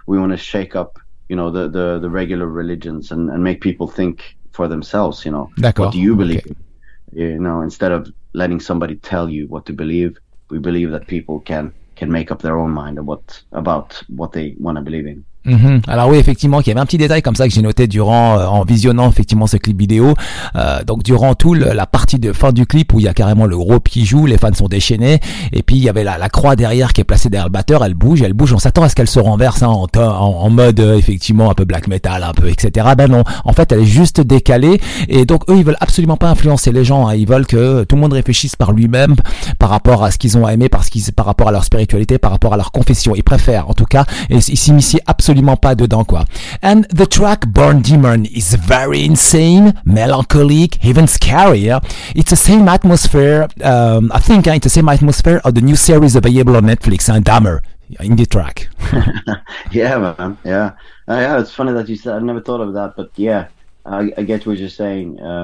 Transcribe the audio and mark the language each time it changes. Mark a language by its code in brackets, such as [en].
[en] We want to shake up, you know, the regular religions, and make people think for themselves, you know. [fr] D'accord. [en] What do you believe? Okay. You know, instead of letting somebody tell you what to believe, we believe that people can make up their own mind about what they want to believe in. [fr] Alors oui, effectivement, il y avait un petit détail comme ça que j'ai noté durant en visionnant effectivement ce clip vidéo. Donc durant tout la partie de fin du clip où il y a carrément le groupe qui joue, les fans sont déchaînés, et puis il y avait la croix derrière qui est placée derrière le batteur, elle bouge. On s'attend à ce qu'elle se renverse, hein, en mode effectivement un peu black metal, un peu etc. Ben non, en fait elle est juste décalée, et donc eux ils veulent absolument pas influencer les gens, hein. Ils veulent que tout le monde réfléchisse par lui-même, par rapport à ce qu'ils ont aimé, par rapport à leur spiritualité, par rapport à leur confession. Ils préfèrent en tout cas, et ils s'initient absolutely pas dedans, quoi. [en] And the track Born Demon is very insane, melancholic, even scary. It's the same atmosphere, I think it's the same atmosphere of the new series available on Netflix, and Dahmer in the track. yeah, it's funny that you said, I never thought of that, but yeah, I get what you're saying.